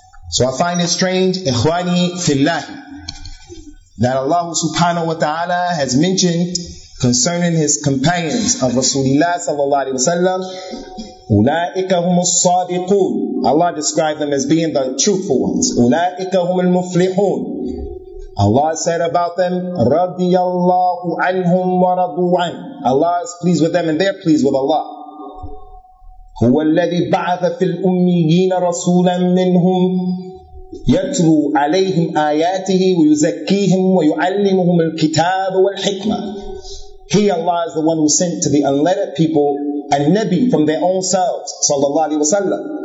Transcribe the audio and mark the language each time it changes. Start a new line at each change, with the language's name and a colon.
English: So I find it strange, ikhwani fillahi, that Allah subhanahu wa ta'ala has mentioned concerning his companions of Rasulullah sallallahu alayhi wa sallam,
Arabic: أُولَٰئِكَ هُمُ الصَّادِقُونَ.
English: Allah described them as being the truthful ones.
Arabic: أُولَٰئِكَ هُمُ الْمُفْلِحُونَ.
English: Allah said about them,
Arabic: رَضِيَ اللَّهُ عَنْهُمْ وَرَضُوا عَنْهُ.
English: Allah is pleased with them and they're pleased with Allah.
Arabic: هُوَ الَّذِي بَعَثَ فِي الْأُمِّيِّينَ رَسُولًا مِّنْهُمْ يَتْلُو عَلَيْهِمْ آيَاتِهِ وَيُزَكِّيهِمْ وَيُعَلِّمُهُمُ الْكِتَابَ وَالْحِكْمَةَ.
English: He, Allah, is the one who sent to the unlettered people a Nabi from their own selves, sallallahu alayhi wa sallam.